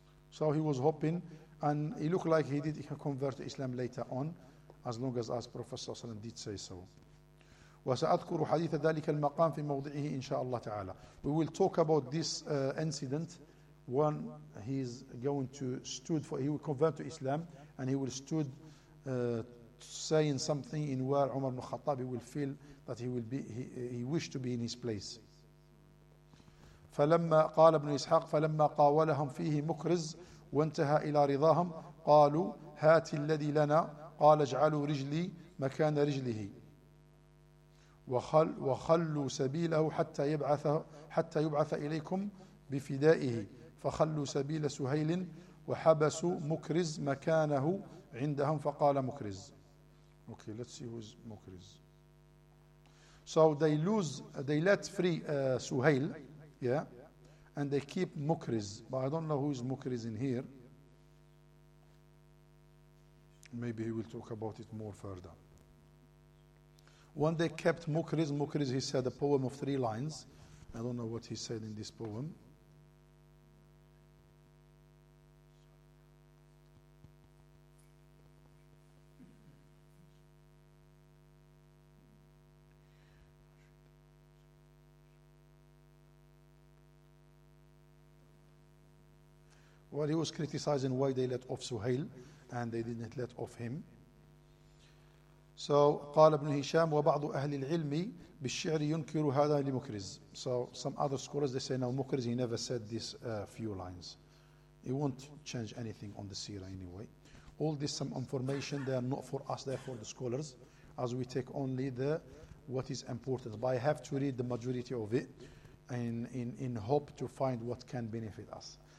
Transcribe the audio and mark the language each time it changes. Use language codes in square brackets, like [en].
[en] So he was hoping, and he looked like he did convert to Islam later on, as long as Prophet صلى الله عليه وسلم did say so. [ar] وسأذكر حديث ذلك المقام في موضعه إن شاء الله تعالى. [en] We will talk about this incident when he's going to stood for, he will convert to Islam and he will stood saying something in where Umar ibn Khattab, he will feel that he will be, he wished to be in his place. [ar] فلما قال ابن إسحاق فلما قاولهم فيه مكرز وانتهى إلى رضاهم قالوا هات الذي لنا قال اجعلوا رجلي مكان رجله وخلوا سبيله حتى يبعث إليكم بفدائه فخلوا سبيل سهيل وحبسوا مكرز مكانه عندهم فقال مكرز. [en] Okay, let's see who's مكرز. So they lose, they let free سهيل, yeah, and they keep مكرز. But I don't know who is مكرز in here. Maybe he will talk about it more further. When they kept Mukriz, Mukriz, he said a poem of three lines. I don't know what he said in this poem. Well, he was criticizing why they let off Suhail and they didn't let off him. [ar] So قال ابن هشام وبعض أهل العلم بالشعر ينكر هذا لمكرز. [en] So some other scholars, they say now مكرز, he never said this few lines. He won't change anything on the seerah anyway. All this some information, they are not for us, they are for the scholars, as we take only the what is important. But I have to read the majority of it in hope to find what can benefit us.